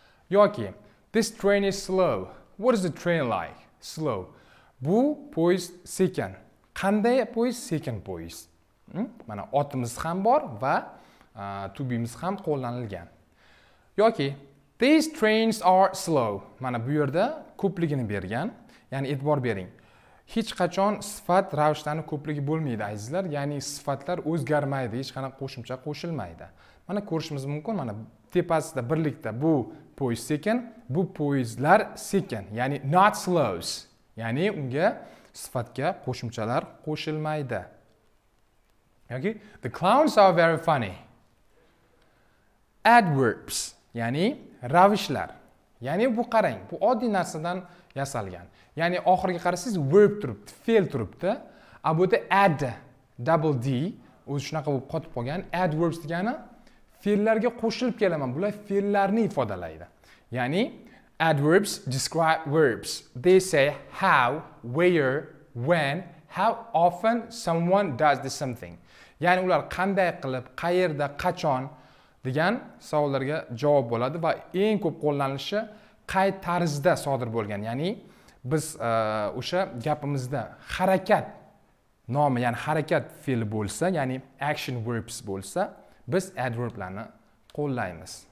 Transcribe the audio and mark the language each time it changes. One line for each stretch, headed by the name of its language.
English: Yoki this train is slow. What is the train like? Slow.
Uzbek: Bu poyezd sekin. Qanday poyezd? Sekin poyezd. Mana otimiz ham bor va tubimiz ham qo'llanilgan.
English: Yoki these trains are slow.
Uzbek: Mana bu yerda ko'pligini bergan, ya'ni e'tibor bering. Hech qachon sifat ravishlarni ko'pligi bo'lmaydi azizlar, ya'ni sifatlar o'zgarmaydi, hech qanaqa qo'shimcha qo'shilmaydi. Mana ko'rishimiz mumkin, mana tepasida birlikda bu poyezd sekin, bu poyezdlar sekin, ya'ni
English: not slows.
Uzbek: Ya'ni unga sifatga qo'shimchalar qo'shilmaydi. Okay.
English: The clowns are very funny.
Uzbek: Adverbs, ya'ni ravishlar. Ya'ni bu qarang, bu oddiy narsadan yasalgan. Ya'ni oxiriga qarasangiz verb turibdi, fe'l turibdi. A bu yerda add double d o'z shunaqa bo'lib qotib qolgan. Adverbs degani fe'llarga qo'shilib kelaman. Bular fe'llarni ifodalaydi.
English: Ya'ni adverbs describe verbs. They say how, where, when, how often someone does the something.
Uzbek: Ya'ni ular qanday qilib, qayerda, qachon degan savollarga javob bo'ladi va eng ko'p qo'llanilishi qay tarzda sodir bo'lgan, ya'ni biz o'sha gapimizda harakat nomi, ya'ni harakat fe'li bo'lsa, ya'ni action verbs bo'lsa, biz adverblarni qo'llaymiz.